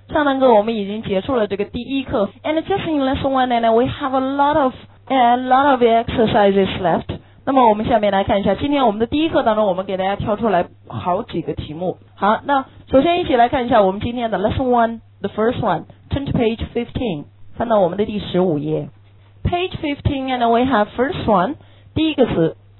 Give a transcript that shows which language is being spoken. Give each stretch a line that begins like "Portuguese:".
Chinese: 上堂课我们已经结束了这个第一课。
English: And just in lesson one, and we have a lot of exercises left.
Chinese: 那么我们下面来看一下，今天我们的第一课当中，我们给大家挑出来好几个题目。好，那首先一起来看一下我们今天的
English: lesson one, the first one. Turn to page 15,
Chinese: 翻到我们的第十五页。
English: Page 15, and we have first one,
Chinese: 第一个词。